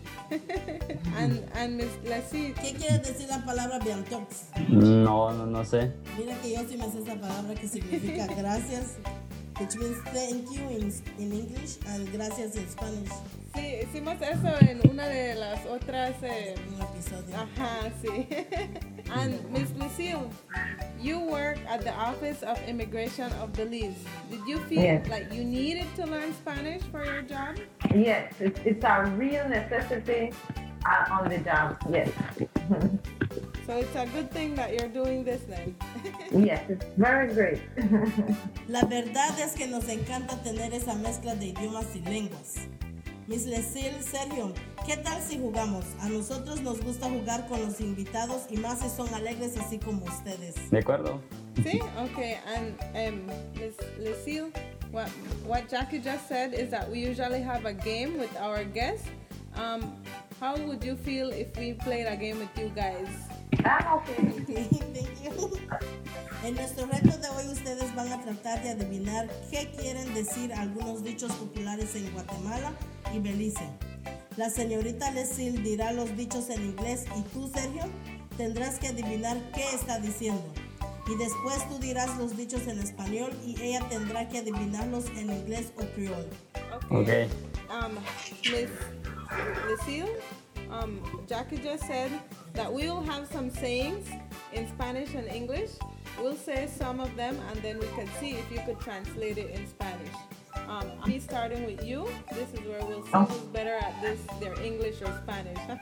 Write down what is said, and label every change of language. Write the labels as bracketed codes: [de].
[en] And Miss Lassie, [es] ¿qué quiere decir la palabra biantox? No sé. Mira que yo sí me sé esa palabra, que significa gracias, [en] which means thank you in English and gracias in Spanish. [es] Sí, hicimos eso en una de las otras un episodio. Ajá, sí. [en] And Miss Lucille, you work at the Office of Immigration of Belize. Did you feel like you needed to learn Spanish for your job? Yes, it's a real necessity on the job, yes. So it's a good thing that you're doing this then. Yes, it's very great. [es] La verdad es que nos encanta tener esa mezcla de idiomas y lenguas. Miss Lucille, Sergio, ¿qué tal si jugamos? A nosotros nos gusta jugar con los invitados y más si son alegres así como ustedes. De acuerdo. Sí, okay. [en] And Miss Lucille, what Jackie just said is that we usually have a game with our guests. How would you feel if we played a game with you guys? I'm okay. Thank you. [es] En nuestro reto de hoy, ustedes van a tratar de adivinar qué quieren decir algunos dichos populares en Guatemala y Belice. La señorita Lesil dirá los dichos en inglés y tú, Sergio, tendrás que adivinar qué está diciendo. Y después tú dirás los dichos en español y ella tendrá que adivinarlos en inglés o criol. [en] Ok. Miss Lesil, Jackie just said that we will have some sayings in Spanish and English. We'll say some of them and then we can see if you could translate it in Spanish. Me starting with you, this is where we'll see who's better at this, their English or Spanish.